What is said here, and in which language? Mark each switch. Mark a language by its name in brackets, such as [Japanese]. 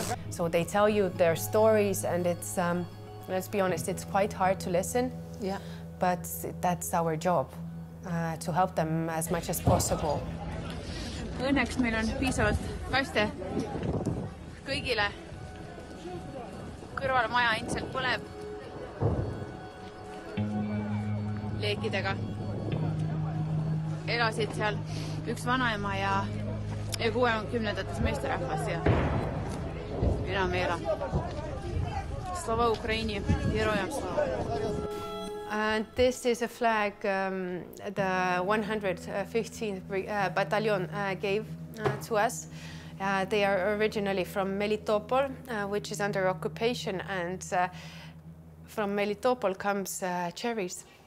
[English] So they tell you their stories, and it's, let's be honest, it's quite hard to listen. Yeah. But that's our job, to help them as much as possible. [Estonian] Õnneks meil on piisavalt kaste. Kõigile kõrval maja endiselt põleb leekidega. Elasid seal üks vanaema ja 60-ndates meesterahvas ja enam ei ela. [Ukrainian] Slava Ukraini, heroiam slava. [English] And this is a flag the 115th Battalion gave to us. They are originally from Melitopol, which is under occupation, and from Melitopol comes cherries.